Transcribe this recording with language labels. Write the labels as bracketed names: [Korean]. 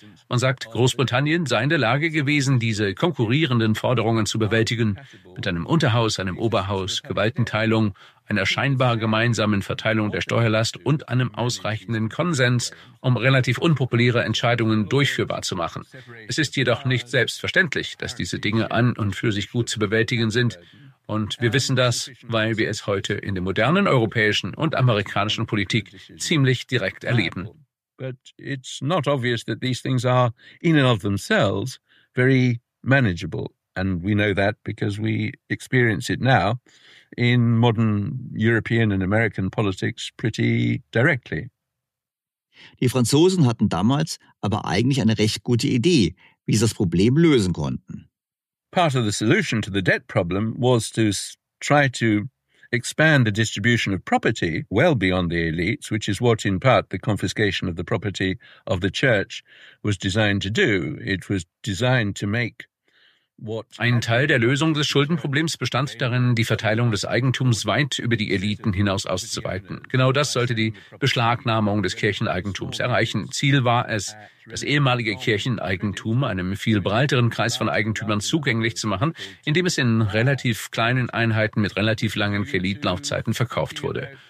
[German] Man sagt, Großbritannien sei in der Lage gewesen, diese konkurrierenden Forderungen zu bewältigen, mit einem Unterhaus, einem Oberhaus, Gewaltenteilung, einer scheinbar gemeinsamen Verteilung der Steuerlast und einem ausreichenden Konsens, um relativ unpopuläre Entscheidungen durchführbar zu machen. Es ist jedoch nicht selbstverständlich, dass diese Dinge an und für sich gut zu bewältigen sind. Und wir wissen das, weil wir es heute in der modernen europäischen und amerikanischen Politik ziemlich direkt erleben. [English] But it's not obvious that these things are in and of themselves very manageable. And we know that because we experience it now in modern European and American politics pretty directly. [German] Die Franzosen hatten damals aber eigentlich eine recht gute Idee, wie sie das Problem lösen konnten. [English] Part of the solution to the debt problem was to try to expand the distribution of property well beyond the elites, which is what in part the confiscation of the property of the church was designed to do. It was designed to make [German] Ein Teil der Lösung des Schuldenproblems bestand darin, die Verteilung des Eigentums weit über die Eliten hinaus auszuweiten. Genau das sollte die Beschlagnahmung des Kircheneigentums erreichen. Ziel war es, das ehemalige Kircheneigentum einem viel breiteren Kreis von Eigentümern zugänglich zu machen, indem es in relativ kleinen Einheiten mit relativ langen Kreditlaufzeiten verkauft wurde.